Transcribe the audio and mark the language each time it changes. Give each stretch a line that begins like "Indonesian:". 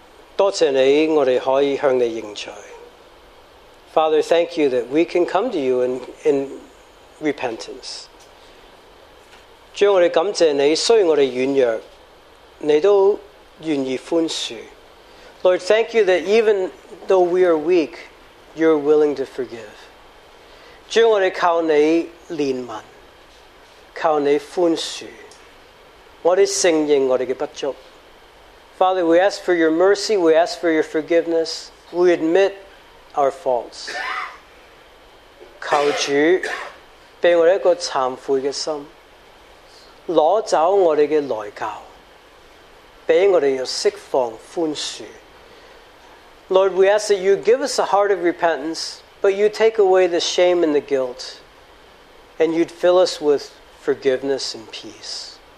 Chinese: 主耶稣，我们多谢你，多谢你，我们可以向你认罪。
English: Father, thank You that we can come to You in repentance.
Chinese: 主，我们感谢你，虽然我们软弱，你都愿意宽恕。
English: Lord, thank You that even though we are weak, You're willing to forgive.
Chinese: 主，我们求你怜悯，求你宽恕。我们承认我们的不足.
English: Father, we ask for Your mercy, we ask for Your forgiveness, we admit our faults.
Chinese: 求主给我们一个忏悔的心, 拿走我们的内疚, 给我们释放宽恕.
English: Lord, we ask that You give us a heart of repentance, but You take away the shame and the guilt, and You'd fill us with forgiveness and peace.